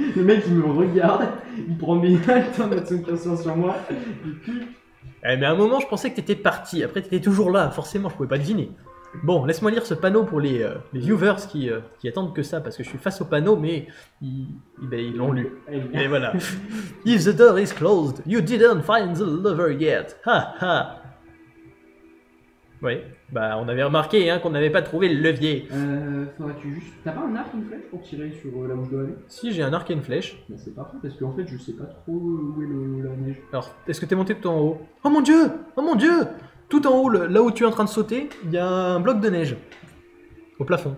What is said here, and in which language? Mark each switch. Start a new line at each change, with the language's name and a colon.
French: Le mec, il me regarde, il prend mes haltes, il met son curseur sur moi, et puis... Eh, mais à un moment, je pensais que t'étais parti. Après, t'étais toujours là. Forcément, je pouvais pas deviner. Bon, laisse-moi lire ce panneau pour les viewers qui attendent que ça, parce que je suis face au panneau, mais ils l'ont lu. Et voilà.
English: If the door is closed, you didn't find the lover yet. Ha ha.
French: Oui, bah on avait remarqué hein, qu'on n'avait pas trouvé le levier. Faudrait-tu juste... T'as pas un arc et une flèche pour tirer sur la mouche de la neige? Si, j'ai un arc et une flèche. Ben, c'est parfait, parce qu'en fait, je sais pas trop où est la neige. Alors, est-ce que t'es monté tout en haut? Oh mon dieu! Tout en haut, là où tu es en train de sauter, il y a un bloc de neige. Au plafond.